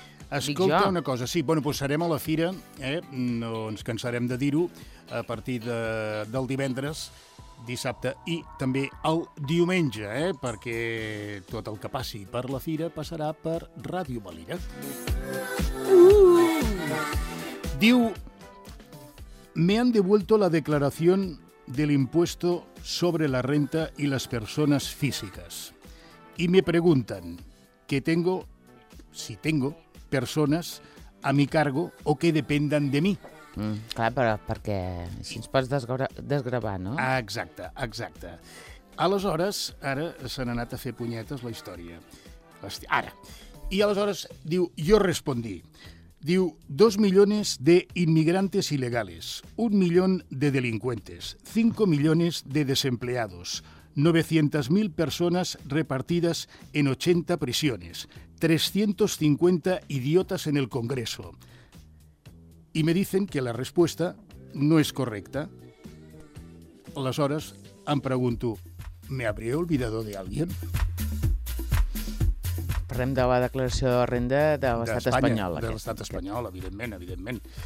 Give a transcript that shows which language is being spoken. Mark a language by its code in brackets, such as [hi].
[ca] Escolta una cosa, sí, bueno, doncs serem a la fira, no ens cansarem de dir-ho, a partir del divendres, dissabte i també el diumenge, perquè tot el que passi per la fira passarà per Ràdio Valira. Diu... [es] Me han devuelto la declaración del impuesto sobre la renta y las personas físicas. Y me preguntan que tengo, si tengo, personas a mi cargo o que dependan de mí. [ca] Clar, però perquè així ens pots desgravar, no? Exacte, exacte. Aleshores, ara s'han anat a fer punyetes la història. Ara. I aleshores, diu, jo respondí... [es] Diu, 2 millones de inmigrantes ilegales, 1 millón de delincuentes, 5 millones de desempleados, 900.000 personas repartidas en 80 prisiones, 350 idiotas en el Congreso. Y me dicen que la respuesta no es correcta. [ca] Aleshores, em pregunto, [es] ¿me habré olvidado de alguien? [ca] Parlem de la declaració de renda de l'estat espanyol. De l'estat espanyol, evidentment.